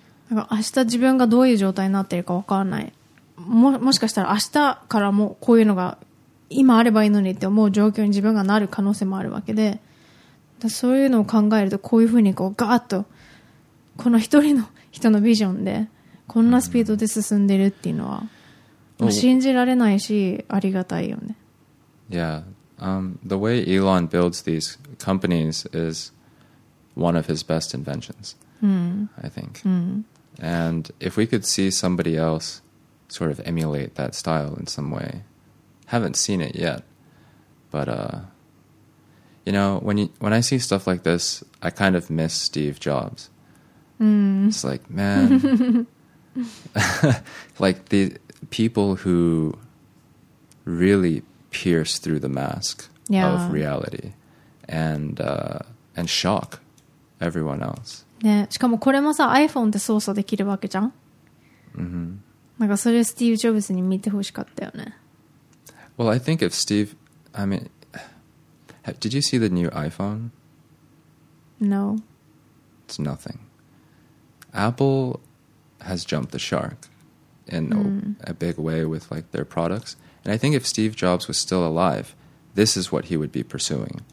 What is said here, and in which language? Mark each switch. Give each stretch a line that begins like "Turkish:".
Japanese: だから明日自分がどういう状態になってるか分かんない。もしかしたら明日からもこういうのが今あればいいのにって思う状況に自分がなる可能性もあるわけで、だそういうのを考えると、こういうふうにこうガーッとこの一人の人のビジョンでこんなスピードで進んでるっていうのは、もう信じられないし、ありがたいよね。
English: Yeah. The way Elon builds these companies is one of his best inventions, I think. And if we could see somebody else sort of emulate that style in some way, haven't seen it yet, but, you know, when I see stuff like this, I kind of miss Steve Jobs. It's like, man... like the people who really pierce through the mask of reality and shock everyone else.
Japanese: ね、しかもこれもさ、iPhone で操作できるわけじゃん。なんかそれスティーブ・ジョブズに見てほしかったよね。
English: Well, I think if Steve, I mean, did you see the new iPhone? No. It's nothing. Apple. Has jumped the shark in a big way with like their products. And I think if Steve Jobs was still alive, this is what he would be pursuing.